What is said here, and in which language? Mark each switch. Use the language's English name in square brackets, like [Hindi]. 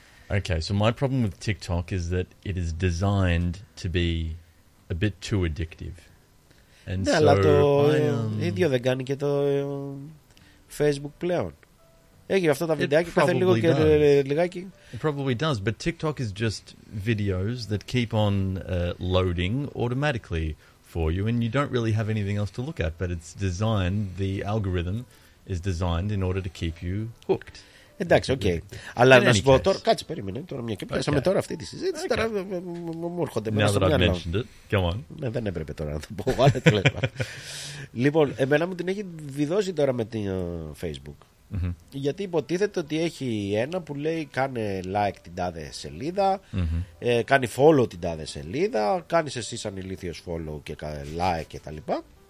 [English] Okay, so my problem with TikTok is that it is designed to be a bit too addictive. [Greek] And ναι, so αλλά το ίδιο δεν κάνει και το Facebook πλέον. Έχει αυτά τα βιντεάκια που θέλει λίγο και λιγάκι. [English] It probably does, but TikTok is just videos that keep on loading automatically for you and you don't really have anything else to look at, but it's designed, the algorithm is designed in order to keep you hooked. [Greek] Εντάξει, οκ. Αλλά να σου πω τώρα, κάτσε, περίμενε, τώρα μια και πιάσαμε τώρα αυτή τη συζήτηση, τώρα μου έρχονται μέσα στο μυαλό. [English] Now that I've mentioned it, come on. [Greek] Δεν έπρεπε τώρα να το πω, αλλά το λέω. Λοιπόν, εμένα μου την έχει βιδώσει τώρα με την Facebook. Γιατί υποτίθεται ότι έχει ένα που λέει κάνε like την τάδε σελίδα, κάνει follow την τάδε σελίδα, κάνεις εσύ σαν ηλίθιος follow και like και τα λοιπά.